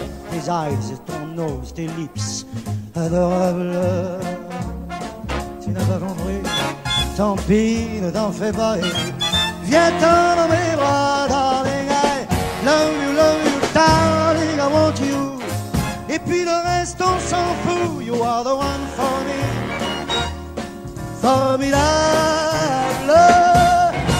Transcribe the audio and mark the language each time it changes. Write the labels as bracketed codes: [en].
[fr] Tes eyes, ton nose, tes lips adorables. Tu n'as pas compris, tant pis, ne t'en fais pas. Viens-t'en dans mes bras, darling. [en] I love you, darling, I want you. [fr] Et puis le reste, on s'en fout. [en] You are the one for me, formidable.